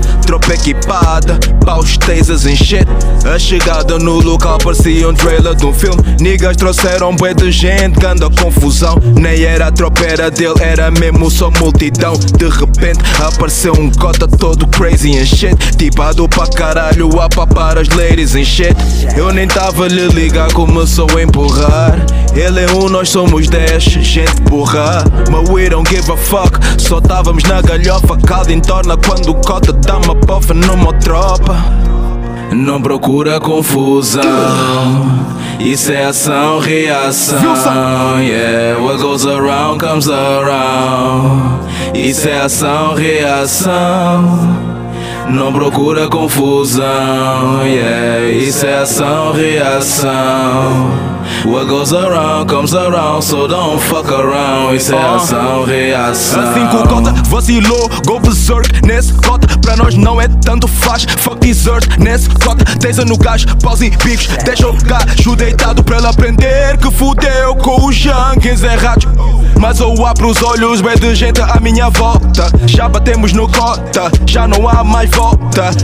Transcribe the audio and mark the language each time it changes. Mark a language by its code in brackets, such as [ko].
[pt] Tropa equipada, paus, tasers em shit. A chegada no local parecia um trailer de um filme. Niggas trouxeram bué de gente, ganda confusão. Nem era a tropa, era dele, era mesmo. Só multidão, de repente apareceu um cota todo [en] crazy and shit. [pt] Tipado pra caralho, a papar as [en] ladies and shit. [pt] Eu nem tava lhe ligar, começou a empurrar. Ele é um, nós somos 10, gente burra. [en] But we don't give a fuck, [pt] só távamos na galhofa. Caldo entorna quando o cota dá uma pofa numa tropa. Não procura confusão. Isso é ação, reação. [en] Yeah, what goes around comes around. [pt] Isso é ação, reação. Não procura confusão. Yeah, isso é ação, reação. [en] What goes around, comes around, so don't fuck around. [pt] Isso é ação, reação. Assim que o cota vacilou, [en] go berserk [pt] nesse cota. Pra nós não é tanto faz, [en] fuck dessert [pt] nesse cota. Teza no gás, paus e bicos, deixa o gajo deitado. Pra ele aprender que fudeu com os junkies errados. Mas eu abro os olhos, bem de gente à minha volta. Já batemos no cota, já não há mais volta.